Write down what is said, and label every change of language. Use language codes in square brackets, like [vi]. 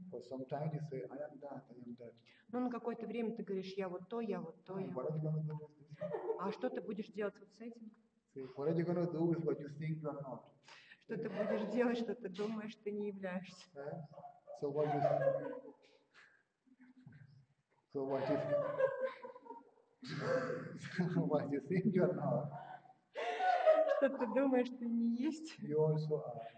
[en] For some time you say, I am that, I am that. [ru] Ну, на какое-то время ты говоришь, я вот то, я вот то. [en] What are you gonna do with this? [ru] А что ты будешь делать вот с этим? [en] What are you gonna do with what you think you are not? [ru] Что ты будешь делать, что ты думаешь, ты не являешься? [en] Yeah? So what you think? So what you think? What you think you are not? [ru] Что ты думаешь, ты не есть? [en] You also are.